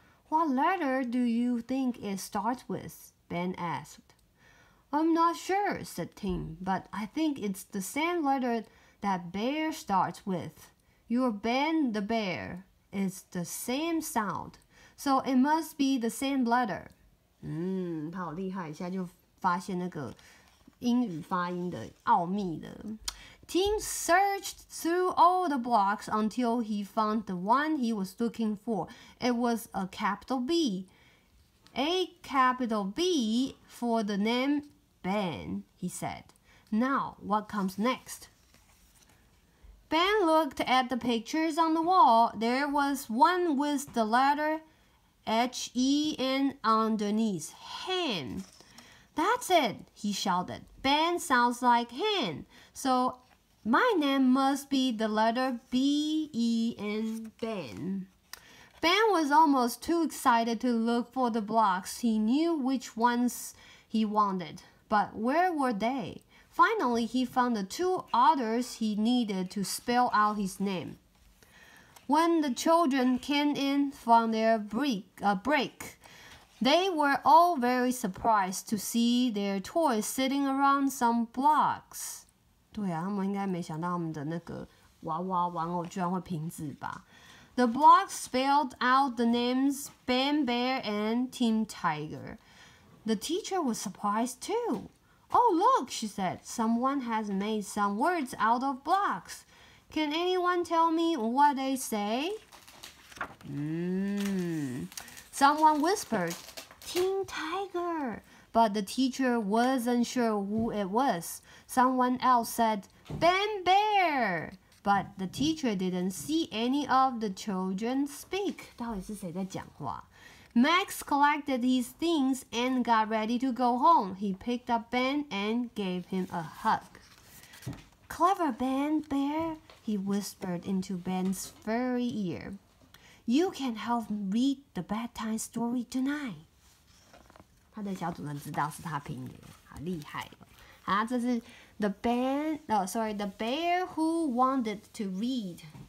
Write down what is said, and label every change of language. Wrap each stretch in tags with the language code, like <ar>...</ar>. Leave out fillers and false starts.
<en>What letter do you think it starts with? Ben asked. I'm not sure, said Tim, but I think it's the same letterThat bear starts with. Your Ben the bear is the same sound, so it must be the same letter.</en> <zh>他好厉害，一下就发现那个英语发音的奥秘了。</zh> <en>Tim searched through all the blocks until he found the one he was looking for. It was a capital B. A capital B for the name Ben, he said. Now, what comes next? Ben looked at the pictures on the wall. There was one with the letter H-E-N underneath. Hen. That's it, he shouted. Ben sounds like hen. So my name must be the letter B-E-N, Ben. Ben was almost too excited to look for the blocks. He knew which ones he wanted. But where were they? Finally, he found the two others he needed to spell out his name. When the children came in from their break, they were all very surprised to see their toys sitting around some blocks.</en> <zh>对啊，他们应该没想到他们的那个娃娃玩偶居然会拼字吧。</zh> <en>The blocks spelled out the names Ben Bear and Tim Tiger. The teacher was surprised too. Oh, look, she said, someone has made some words out of blocks. Can anyone tell me what they say? Someone whispered, Tim Tiger. But the teacher wasn't sure who it was. Someone else said, Ben Bear. But the teacher didn't see any of the children speak.</en> <zh>到底是谁在讲话?</zh> <en>Max collected his things and got ready to go home. He picked up Ben and gave him a hug. Clever Ben Bear, he whispered into Ben's furry ear. You can help read the bedtime story tonight.</en> <zh>他的小主人知道是他拼的，好厉害哦！啊，这是</zh> <en>the bear who wanted to read.</en>